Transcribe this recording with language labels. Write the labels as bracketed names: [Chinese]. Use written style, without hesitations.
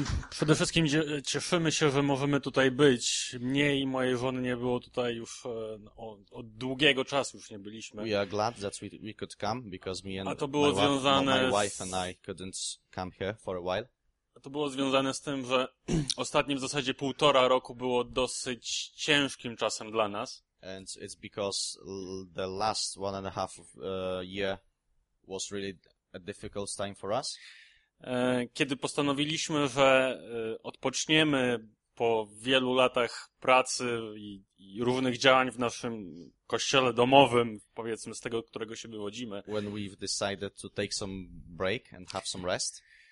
[Polish] Przede wszystkim cieszymy się, że możemy tutaj być. Mnie i mojej żony nie było tutaj już od długiego czasu już nie byliśmy. [English] We are glad that we could come because me and [Polish] a to było związane [English] my wife and I couldn't come here for a while. [Polish] A to było związane z tym, że ostatnim w zasadzie półtora roku było dosyć ciężkim czasem dla nas. [English] And it's because the last one and a half year was really a difficult time for us. [Polish] Kiedy postanowiliśmy, że odpoczniemy po wielu latach pracy i różnych działań w naszym kościele domowym, powiedzmy z tego, którego się wywodzimy. [English] When we've decided to take some break and have some rest.